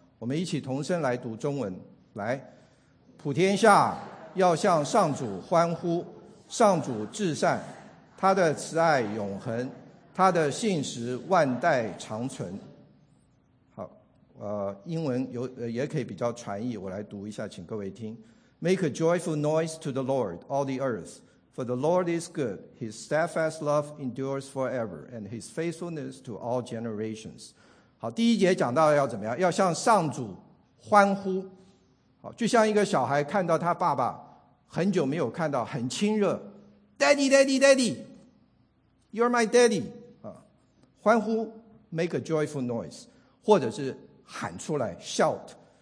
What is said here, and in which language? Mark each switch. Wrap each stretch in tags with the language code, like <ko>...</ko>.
<zh>我们一起同声来读中文，来，普天下要向上主欢呼，上主至善，他的慈爱永恒，他的信实万代长存。好，英文有也可以比较传译，我来读一下，请各位听。</zh> <en>Make a joyful noise to the Lord, all the earth. For the Lord is good, his steadfast love endures forever, and his faithfulness to all generations.</en> <zh>好，第一节讲到要怎么样？要向上主欢呼。好，就像一个小孩看到他爸爸很久没有看到，很亲热，</zh> <en>Daddy, Daddy, Daddy, You're my daddy.</en> <zh>欢呼，</zh> <en>make a joyful noise,</en> <zh>或者是喊出来 shout.</zh>